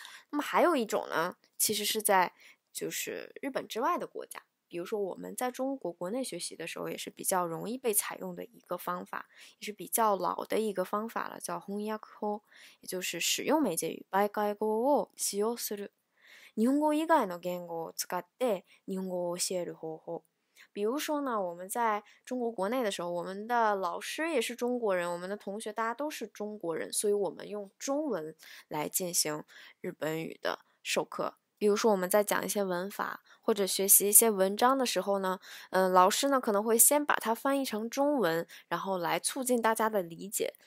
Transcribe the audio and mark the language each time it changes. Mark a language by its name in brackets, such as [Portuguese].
[Chinese] 那么还有一种呢，其实是在就是日本之外的国家，比如说我们在中国国内学习的时候，也是比较容易被采用的一个方法，也是比较老的一个方法了，叫翻訳法，也就是使用媒介语。 [Japanese] 媒介語を使用する。日本語以外の言語を使って日本語を教える方法。 [Chinese] 比如说呢，我们在中国国内的时候，我们的老师也是中国人，我们的同学大家都是中国人，所以我们用中文来进行日本语的授课。比如说我们在讲一些文法或者学习一些文章的时候呢，老师呢可能会先把它翻译成中文，然后来促进大家的理解。